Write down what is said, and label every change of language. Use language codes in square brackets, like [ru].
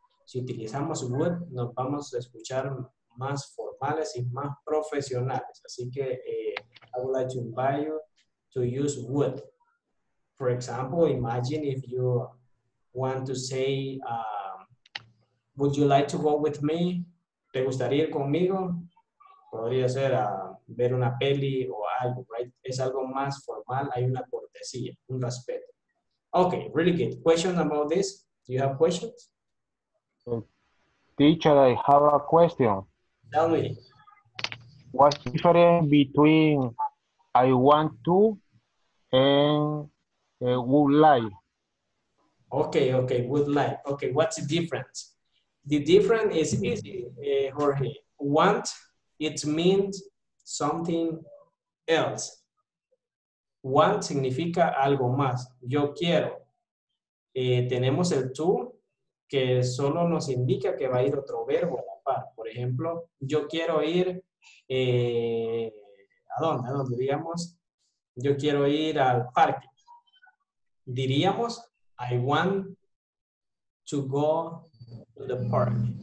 [es] Si utilizamos would, nos vamos a escuchar más formales y más profesionales. Así que [en] I would like to invite you to use would. For example, imagine if you want to say, would you like to go with me? [es] ¿Te gustaría ir conmigo? Podría ser ver una peli o algo, right? Es algo más formal, hay una cortesía, un respeto. [en] Okay, really good. Question about this? Do you have questions? Teacher, I have a question. Tell me. What's the difference between I want to and would like? Okay, would like. Okay, what's the difference? The difference is easy, Jorge. Want, it means something else. [es] Want significa algo más. Yo quiero. Tenemos el to, que solo nos indica que va a ir otro verbo. Por ejemplo, yo quiero ir, ¿a dónde? ¿A dónde? Digamos, yo quiero ir al parque. [en] Diríamos, I want to go to the park.